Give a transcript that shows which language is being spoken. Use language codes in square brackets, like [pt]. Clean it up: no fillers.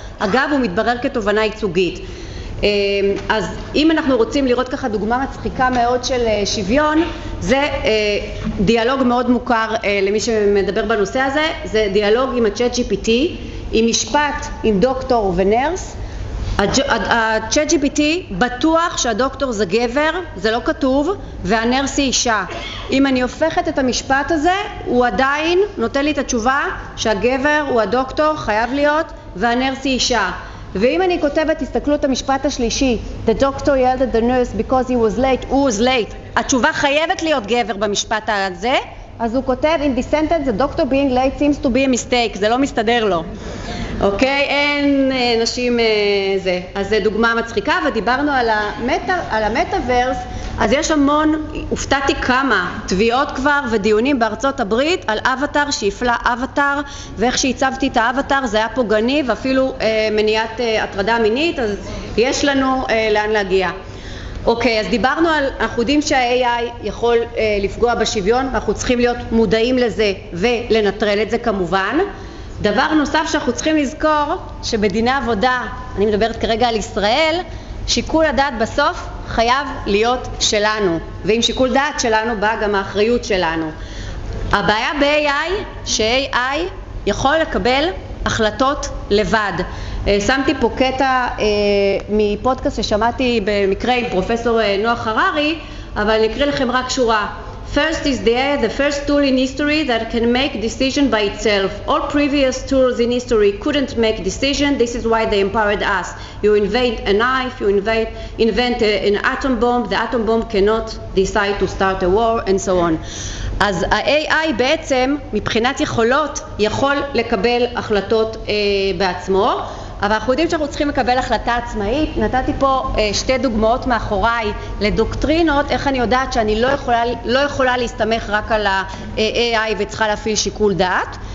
[he] אגב, הוא מתברר כתובנה ייצוגית. אז אם אנחנו רוצים לראות ככה דוגמה מצחיקה מאוד של שוויון, זה דיאלוג מאוד מוכר למי שמדבר בנושא הזה, זה דיאלוג עם ה-ChatGPT, עם משפט, עם דוקטור ונרס. ה-ChatGPT בטוח שהדוקטור זה גבר, זה לא כתוב, והנרס היא אישה. אם אני הופכת את המשפט הזה, הוא עדיין נותן לי את התשובה שהגבר הוא הדוקטור, חייב להיות, והנרס היא אישה. ואם אני כותבת, תסתכלו את המשפט השלישי, [en] the doctor yelled at the nurse because he was late, [he] who was late, התשובה חייבת להיות גבר במשפט הזה, אז הוא כותב, [en] in this sentence, the doctor being late seems to be a mistake, [he] זה לא מסתדר לו. אוקיי, אין נשים זה. אז זה דוגמה מצחיקה, ודיברנו על המטאוורס, אז יש המון, הופתעתי כמה, תביעות כבר ודיונים בארצות הברית על אבטר, שיפלה אבטר, ואיך שהצבתי את האבטר, זה היה פוגעני ואפילו מניעת הטרדה מינית, אז יש לנו לאן להגיע. אוקיי, אז דיברנו על, אנחנו יודעים שה-AI יכול לפגוע בשוויון, ואנחנו צריכים להיות מודעים לזה ולנטרל את זה כמובן. דבר נוסף שאנחנו צריכים לזכור, שבדיני עבודה, אני מדברת כרגע על ישראל, שיקול הדעת בסוף חייב להיות שלנו. ועם שיקול דעת שלנו באה גם האחריות שלנו. הבעיה ב-AI, ש-AI יכול לקבל החלטות לבד. שמתי פה קטע מפודקאסט ששמעתי במקרה עם פרופסור נוח הררי, אבל אני אקריא לכם רק שורה. [en] First is the first tool in history that can make decision by itself. All previous tools in history couldn't make decision. This is why they empowered us. You invent a knife, you invent an atom bomb, the atom bomb cannot decide to start a war and so on. [he] אז ה-AI בעצם מבחינת יכולות יכול לקבל החלטות בעצמו, אבל אנחנו יודעים שאנחנו צריכים לקבל החלטה עצמאית. נתתי פה שתי דוגמאות מאחוריי לדוקטרינות, איך אני יודעת שאני לא יכולה להסתמך רק על ה-AI וצריכה להפעיל שיקול דעת.